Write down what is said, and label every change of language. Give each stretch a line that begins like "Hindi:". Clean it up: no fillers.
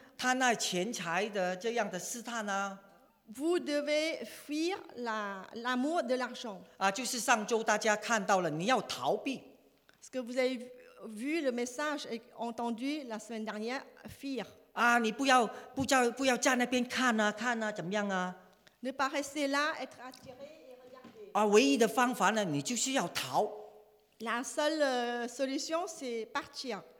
Chinese: 贪爱钱财的这样的试探啊
French: ！Vous devez fuir l'amour de l'argent.
Chinese: 啊，就是上周大家看到了，你要逃避。
French: Ce que vous avez vu le message et entendu la semaine dernière, fuir.
Chinese: 啊，你不要在那边看啊，怎么样啊
French: ？Ne pas rester là, être attiré et regarder.
Chinese: 啊，唯一的方法呢，你就是要逃。
French: La seule solution, c'est partir.